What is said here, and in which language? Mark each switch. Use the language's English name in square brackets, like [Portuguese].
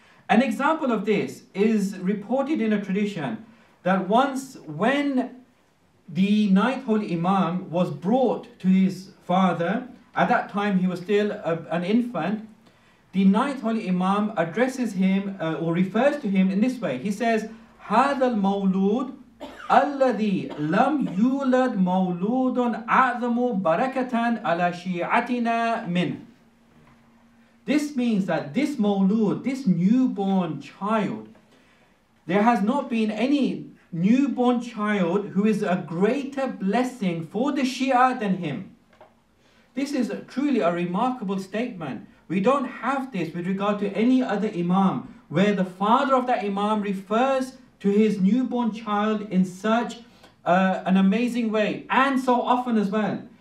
[English] An example of this is reported in a tradition that once when the ninth holy Imam was brought to his father, at that time he was still an infant, the ninth holy Imam addresses him or refers to him in this way. He says, [Arabic] هذا المولود الذي لم يولد مولود أعظم بركة على شيعتنا منه. [English] This means that this mawlud, this newborn child, There has not been any newborn child who is a greater blessing for the Shia than him. This is truly a remarkable statement. We don't have this with regard to any other imam, where the father of that imam refers to his newborn child in such an amazing way, and so often as well.